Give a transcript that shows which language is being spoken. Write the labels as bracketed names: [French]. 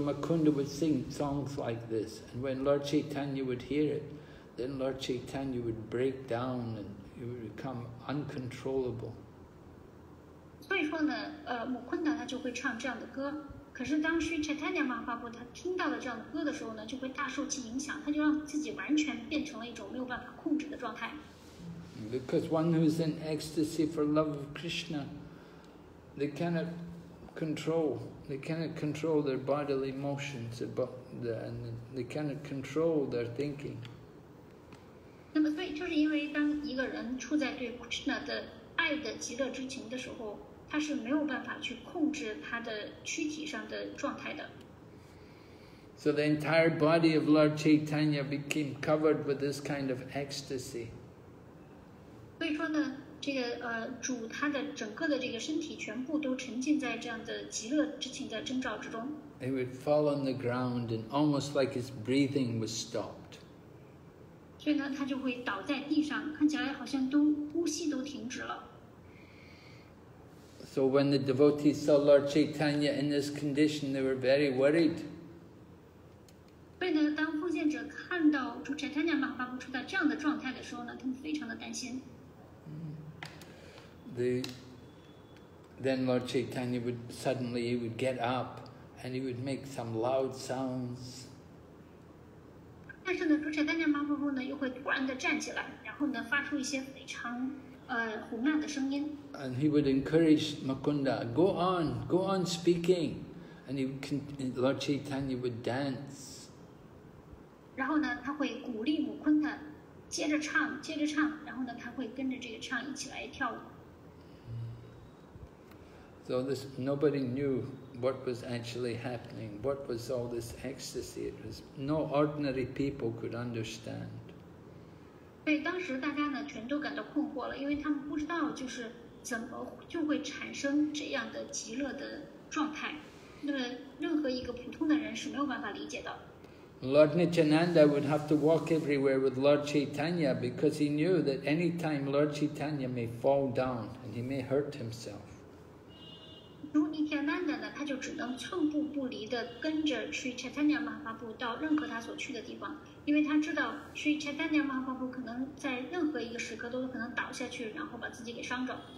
[English] Makunda would sing songs like this, and when Lord Chaitanya would hear it, then Lord Chaitanya would break down and it would become uncontrollable. [Chinese] 所以说呢，穆昆达他就会唱这样的歌，可是当 Sri Chaitanya Mahaprabhu 他听到了这样的歌的时候呢，就会大受其影响，他就让自己完全变成了一种没有办法控制的状态。 [English] Because one who is in ecstasy for love of Krishna, they cannot control. They cannot control their bodily motions, but they cannot control their thinking. [Chinese] 那么，所以就是因为当一个人处在对 Krishna 的爱的极乐之情的时候，他是没有办法去控制他的躯体上的状态的。 [English] So the entire body of Lord Chaitanya became covered with this kind of ecstasy. [Chinese] 所以说呢，这个主他的整个的这个身体全部都沉浸在这样的极乐之情的征兆之中。 [English] He would fall on the ground and almost like his breathing was stopped. [Chinese] 所以呢，他就会倒在地上，看起来好像都呼吸都停止了。 [English] So when the devotees saw Lord Chaitanya in this condition, they were very worried. [Chinese] 所以呢，当奉献者看到主 Chaitanya Mahaprabhu 处在这样的状态的时候呢，他们非常的担心。 [English] Then Lord Chaitanya would suddenly he would get up and he would make some loud sounds. [Chinese] 但是呢，主持人马伯伯呢又会突然的站起来，然后呢发出一些非常洪亮的声音。 [English] And he would encourage Mukunda, go on speaking, and Lord Chaitanya would dance. [Chinese] 然后呢，他会鼓励穆昆达接着唱，接着唱，然后呢，他会跟着这个唱一起来跳舞。 [English] So this nobody knew what was actually happening. What was all this ecstasy? It was no ordinary people could understand. [Chinese] 对，当时大家呢全都感到困惑了，因为他们不知道就是怎么就会产生这样的极乐的状态。那么任何一个普通的人是没有办法理解的。 [English] Lord Nityananda would have to walk everywhere with Lord Chaitanya because he knew that any time Lord Chaitanya may fall down and he may hurt himself. [Chinese] 如尼天南的呢，他就只能寸步不离地跟着 Sri Chaitanya Mahaprabhu 到任何他所去的地方，因为他知道 Sri Chaitanya Mahaprabhu 可能在任何一个时刻都可能倒下去，然后把自己给伤着。